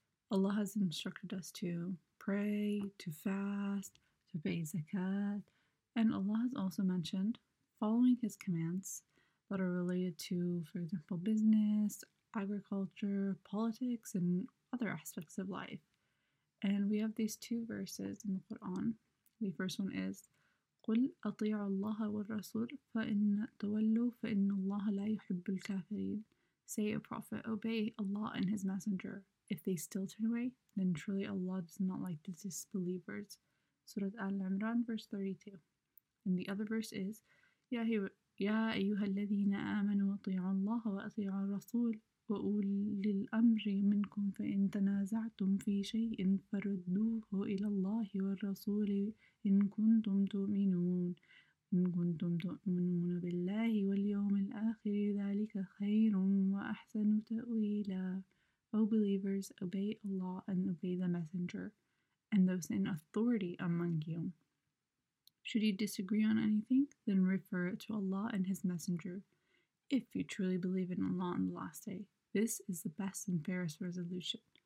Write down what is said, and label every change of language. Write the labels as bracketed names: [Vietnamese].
[English] Allah has instructed us to pray, to fast, to pay zakat, and Allah has also mentioned following His commands that are related to, for example, business, agriculture, politics, and other aspects of life. And we have these two verses in the Quran. The first one is, [Arabic] قُلْ أَطِيعُ اللَّهَ وَالرَّسُولُ فَإِنَّ تَوَلُّوا فَإِنَّ اللَّهَ لَا يُحِبُّ الْكَافِرِينَ. [English] Say, O Prophet, obey Allah and His Messenger. If they still turn away, then truly Allah does not like the disbelievers. Surah Al-Imran, verse 32. And the other verse is, [Arabic] يَا أَيُّهَا الَّذِينَ آمَنُوا أَطِيعُوا اللَّهَ وَأَطِيعُوا الرَّسُولُ وَأُولِي الْأَمْرِ مِنْكُمْ فَإِنْ تَنَازَعْتُمْ فِي شَيْءٍ فَرُدُّوهُ إِلَى اللَّهِ وَالرَّسُولِ إِن كُنتُمْ تُؤْمِنُونَ إِن كُنتُمْ تُؤْمِنُونَ بِاللَّهِ وَالْيَوْمِ الْآخِرِ ذَلِكَ خَيْرٌ وَأَحْسَنُ تَأْوِيلًا. [English] O believers, obey Allah and obey the Messenger and those in authority among you. Should you disagree on anything, then refer it to Allah and His Messenger. If you truly believe in Allah on the last day, this is the best and fairest resolution.